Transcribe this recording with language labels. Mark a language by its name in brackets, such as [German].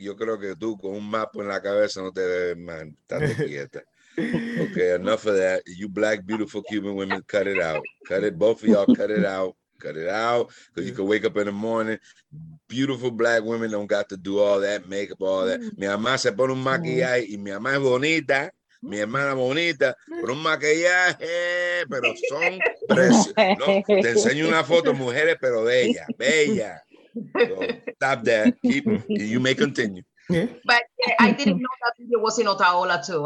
[Spanish] Yo creo que tú con un mapa en la cabeza no te debes man. Estate quieta. [English] Okay, enough of that. You black beautiful Cuban women, cut it out. Cut it, both of y'all. Cut it out. Cause you can wake up in the morning. Beautiful black women don't got to do all that makeup, all that. [Spanish] Mi mamá se pone un maquillaje y mi mamá es bonita, mi hermana bonita, pero un maquillaje, pero son preciosos. No, te enseño una foto, mujeres, pero bella, bella. [English] So, stop that. You may continue. Yeah. But I didn't know that video was in Otaola too.